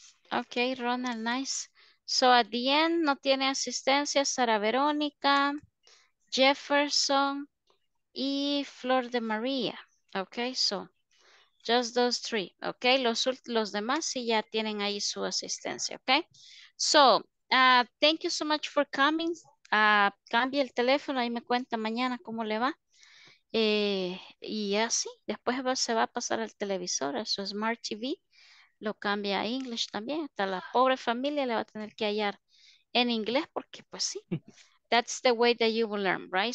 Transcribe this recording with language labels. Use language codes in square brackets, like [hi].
[en] Okay, Ronald, nice. So at the end, [es] no tiene asistencia, [en] Sara Verónica, Jefferson, y Flor de María. Okay, so just those three. [es] Okay, los demás sí ya tienen ahí su asistencia. [en] Okay, so thank you so much for coming. [es] Cambie el teléfono, ahí me cuenta mañana cómo le va. Y así, después se va a pasar al televisor, a su Smart TV, lo cambia a inglés también. Hasta la pobre familia le va a tener que hallar en inglés, porque pues sí, [en] that's the way that you will learn, right?